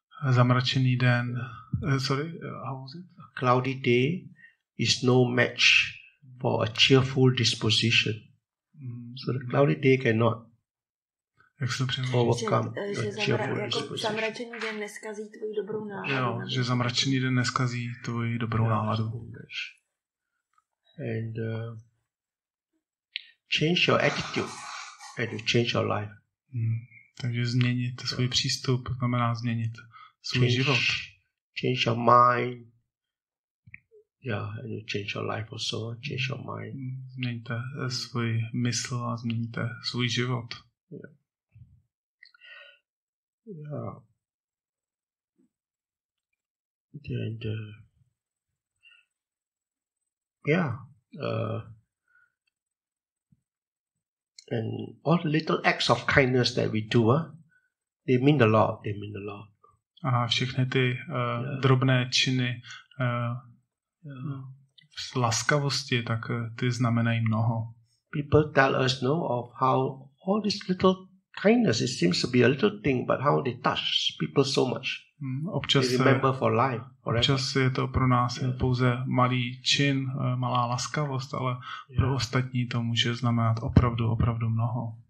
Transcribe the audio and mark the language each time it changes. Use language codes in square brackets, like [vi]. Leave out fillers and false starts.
[cs] Zamračený den, [en] sorry, how was it? A cloudy day is no match for a cheerful disposition. So the cloudy day cannot overcome a cheerful disposition. [cs] Zamračený den neskazí tvoji dobrou náladu. Jo, že zamračený den neskazí tvoji dobrou náladu. [en] And change your attitude and you change your life. [cs] Takže změnit svůj přístup znamená změnit svůj život. [en] Change your mind. Yeah, and you change your life also, change your mind. [cs] Změníte svůj mysl a změníte svůj život. [en] Yeah. Yeah. And, and all the little acts of kindness that we do, they mean a lot, they mean a lot. [cs] A všechny ty drobné činy z laskavosti, tak ty znamenají mnoho. [en] People tell us, no, of how all this little kindness, it seems to be a little thing, but how they touch people so much. [cs] Občas [en] they remember for life. Forever. [cs] Občas je to pro nás pouze malý čin, malá laskavost, ale pro ostatní to může znamenat opravdu, opravdu mnoho.